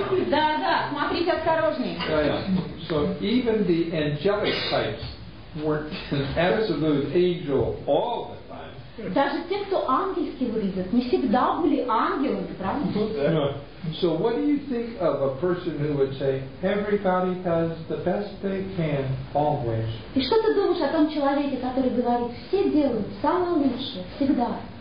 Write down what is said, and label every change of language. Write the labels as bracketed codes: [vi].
[ru] Да, да, смотрите осторожнее. [en] So even the angelic types weren't an absolute angel all the time. [ru] Даже те, кто ангельский выглядит, не всегда были ангелами, правда? [en] So what do you think of a person who would say everybody does the best they can always? [ru] И что ты думаешь о том человеке, который говорит, все делают самое лучшее всегда?